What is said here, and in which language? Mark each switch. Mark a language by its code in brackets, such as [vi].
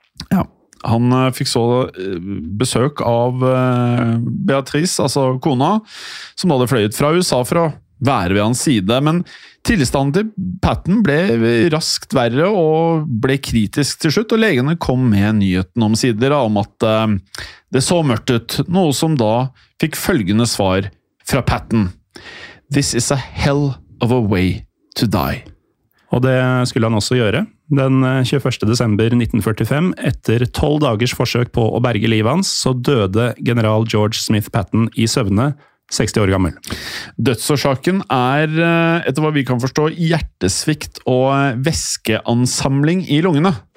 [no] Ja, han fikk så besøk av Beatrice, altså kona, som hadde fløyet fra USA for å være ved hans side, men tilstanden til Patton ble raskt verre og ble kritisk til slutt, og legene kom med nyheten omsider om at det så mørkt ut, noe som da fikk følgende svar fra Patton. [en] This is a hell of a way to die. [no] Og det skulle han også gjøre. Den 21. desember 1945, etter 12 dagers forsøk på å berge livet hans, så døde general George Smith Patton I søvne, 60 år gammel. Dødsårsaken etter hva vi kan forstå, hjertesvikt og væskeansamling I lungene.